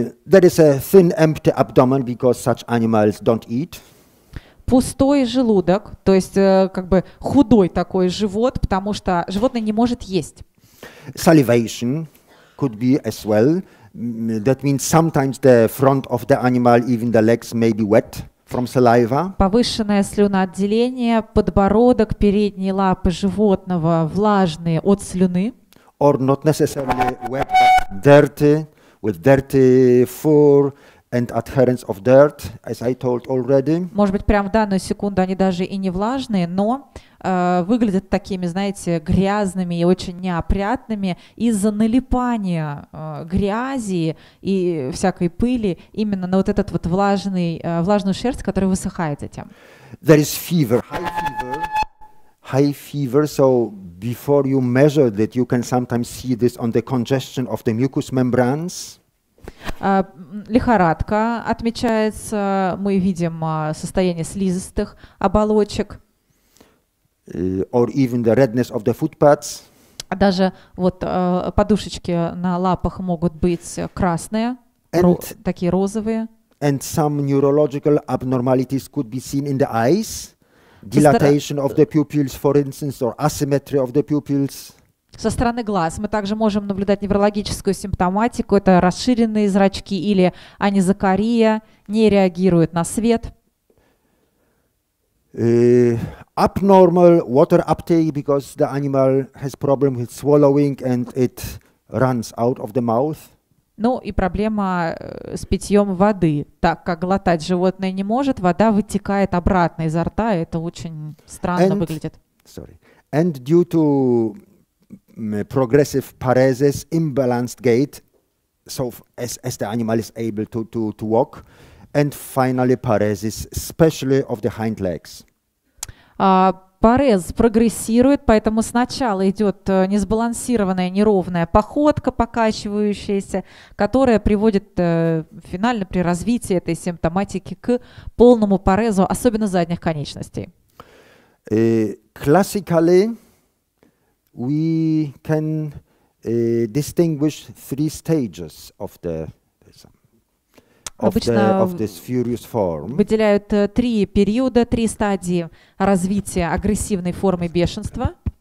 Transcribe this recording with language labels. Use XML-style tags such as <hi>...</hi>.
<en>There is a thin, empty abdomen, because such animals don't eat.</en> <ru>Пустой желудок, то есть как бы худой такой живот, потому что животное не может есть.</ru> <en>Salivation could be as well. That means sometimes the front of the animal, even the legs, may be wet from saliva.</en> <ru>Повышенное слюноотделение, подбородок, передние лапы животного влажные от слюны.</ru> <en>Or not necessarily wet, but dirty, with dirty fur and adherence of dirt, as I told already.</en> <ru>Может быть, прямо в данную секунду они даже и не влажные, но выглядят такими, знаете, грязными и очень неопрятными из-за налипания грязи и всякой пыли именно на вот этот вот влажную шерсть, которая высыхает затем.</ru> <en>There is fever, high fever. High fever, so before you measure that, you can sometimes see this on the congestion of the mucous membranes.</en> <ru>Лихорадка отмечается, мы видим состояние слизистых оболочек.</ru> <en>Or even the redness of the footpads.</en> <ru>Даже вот подушечки на лапах могут быть красные, такие розовые.</ru> <en>And some neurological abnormalities could be seen in the eyes. Dilatation of the pupils, for instance, or asymmetry of the pupils.</en> <ru>Со стороны глаз мы также можем наблюдать неврологическую симптоматику. Это расширенные зрачки или анизокория, не реагирует на свет.</ru> <en>Abnormal water uptake because the animal has problem with swallowing and it runs out of the mouth.</en> <ru>Ну и проблема с питьем воды, так как глотать животное не может, вода вытекает обратно изо рта, и это очень странно</ru> <en>and,</en> <ru>выглядит.</ru> <en>Sorry. And due to progressive paresis, imbalanced gait, so as the animal is able to walk, and finally paresis, especially of the hind legs.</en> <ru>Парез прогрессирует, поэтому сначала идет несбалансированная неровная походка, покачивающаяся, которая приводит финально при развитии этой симптоматики к полному парезу, особенно задних конечностей.</ru> <en>Classically, we can distinguish three stages of the</en> <ru>выделяют три периода, три стадии развития агрессивной формы бешенства.</ru>